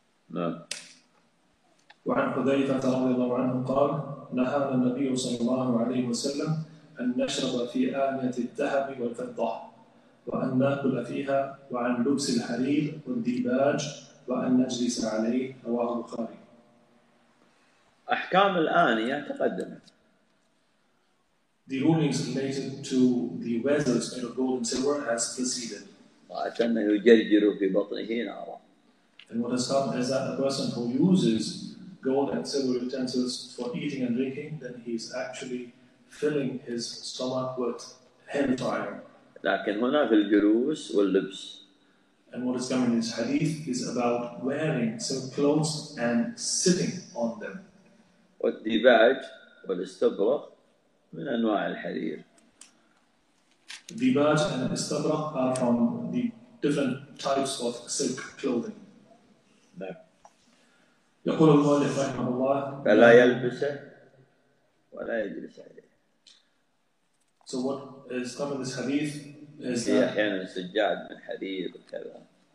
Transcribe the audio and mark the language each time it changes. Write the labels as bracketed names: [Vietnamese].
[English] No. [Arabic] وعن حذيفة رضي الله عنه قال: نهانا النبي صلى الله عليه وسلم أن نشرب في آنية الذهب والفضة وأن نأكل فيها وعن لبس الحرير والديباج وأن نجلس عليه. رواه البخاري. أحكام الآنية تقدمت. [English] The rulings related to the vessels made of gold and silver has proceeded. [Arabic] وأتنى يجرجر في بطنه نارا. [English] And what has happened is that a person who uses gold and silver utensils for eating and drinking, then he is actually filling his stomach with hellfire. [Arabic] لكن هنا في الجلوس واللبس. [English] And what is coming in this hadith is about wearing silk clothes and sitting on them. [Arabic] والديباج والاستبرق من أنواع الحرير. [English] الديباج and الاستبرق are from the different types of silk clothing. [Arabic] نعم. يقول المؤلف رحمه الله: فلا يلبسه ولا يجلس عليه. [English] So what is coming in this hadith is that [Arabic] أحيانا سجاد من حرير وكذا.